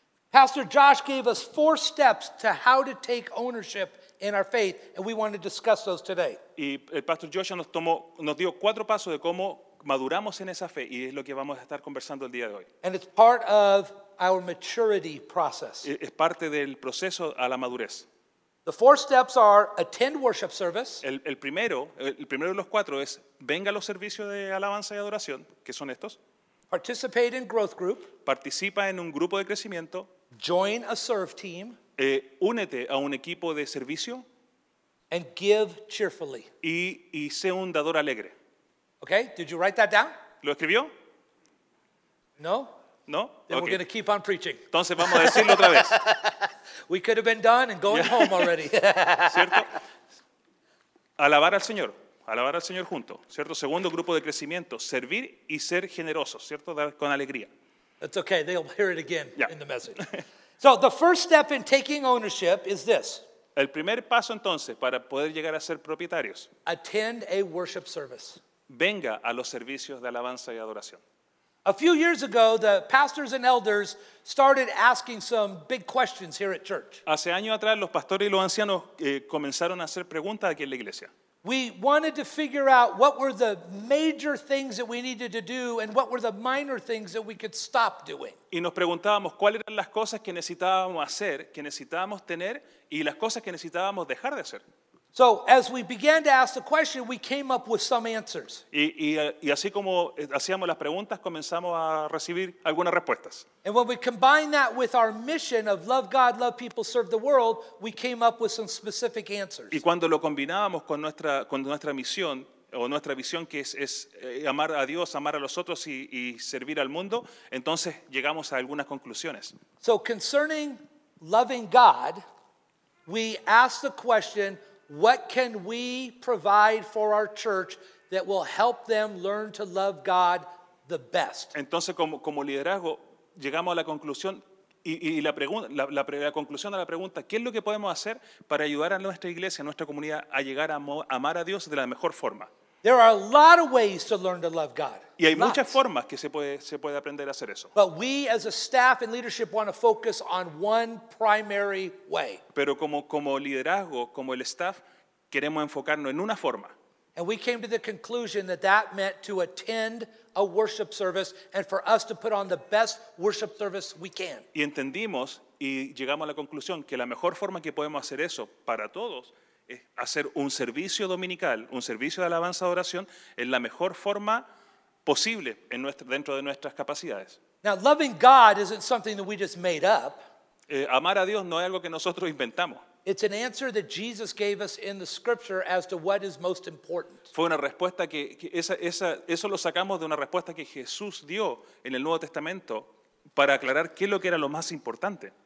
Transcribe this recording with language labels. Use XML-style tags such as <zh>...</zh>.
<en>Pastor Josh gave us 4 steps to how to take ownership in our faith, and we want to discuss those today.</en> <es>Y el Pastor Josh nos dio 4 pasos de cómo maduramos en esa fe, y es lo que vamos a estar conversando el día de hoy.</es> <en>And it's part of our maturity process.</en> <es>Es parte del proceso a la madurez.</es> <en>The 4 steps are attend worship service.</en> <es>El primero de los 4 es venga a los servicios de alabanza y adoración, que son estos.</es> <en>Participate in growth group.</en> <es>Participa en un grupo de crecimiento.</es> <en>Join a serve team.</en> <es>Únete a un equipo de servicio.</es> <en>And give cheerfully.</en> <es>Y sé un dador alegre.</es> <en>Okay, did you write that down?</en> <es>¿Lo escribió?</es> <en>No.</en> <es>No?</es> <en>Then okay. We're going to keep on preaching.</en> <es>Entonces vamos a decirlo otra vez.</es> <en>We could have been done and going home already.</en> <es>¿Cierto? Alabar al Señor. Alabar al Señor junto. ¿Cierto? Segundo grupo de crecimiento. Servir y ser generosos. ¿Cierto? Dar con alegría.</es> <en>It's okay. They'll hear it again in the message. So the first step in taking ownership is this.</en> <es>El primer paso entonces para poder llegar a ser propietarios.</es> <en>Attend a worship service.</en> <es>Venga a los servicios de alabanza y adoración.</es> <en>A few years ago, the pastors and elders started asking some big questions here at church.</en> <es>Hace años atrás, los pastores y los ancianos comenzaron a hacer preguntas aquí en la iglesia.</es> <en>We wanted to figure out what were the major things that we needed to do and what were the minor things that we could stop doing.</en> <es>Y nos preguntábamos cuáles eran las cosas que necesitábamos hacer, que necesitábamos tener, y las cosas que necesitábamos dejar de hacer.</es> <en>So as we began to ask the question, we came up with some answers.</en> <es>Y así como hacíamos las preguntas, comenzamos a recibir algunas respuestas.</es> <en>And when we combined that with our mission of love God, love people, serve the world, we came up with some specific answers.</en> <es>Y cuando lo combinábamos con nuestra misión o nuestra visión, que es amar a Dios, amar a los otros y servir al mundo, entonces llegamos a algunas conclusiones.</es> <en>So concerning loving God, we asked the question, what can we provide for our church that will help them learn to love God the best?</en> <es>Entonces, como liderazgo, llegamos a la conclusión y la conclusión a la pregunta, ¿qué es lo que podemos hacer para ayudar a nuestra iglesia, a nuestra comunidad, a llegar a amar a Dios de la mejor forma?</es> <en>There are a lot of ways to learn to love God.</en> <es>Y hay muchas formas que se puede aprender a hacer eso.</es> <en>But we as a staff and leadership want to focus on one primary way.</en> <es>Pero como liderazgo, como el staff, queremos enfocarnos en una forma.</es> <en>And we came to the conclusion that meant to attend a worship service and for us to put on the best worship service we can.</en> <es>Y entendimos y llegamos a la conclusión que la mejor forma que podemos hacer eso para todos hacer un servicio dominical, un servicio de alabanza y adoración, es la mejor forma posible dentro de nuestras capacidades.</es> <en>Now, loving God isn't something that we just made up.</en> <es>Amar a Dios no es algo que nosotros inventamos.</es> <en>It's an answer that Jesus gave us in the scripture as to what is most important.</en> <es>Fue una respuesta que eso lo sacamos de una respuesta que Jesús dio en el Nuevo Testamento para aclarar qué es lo que era lo más importante.</es>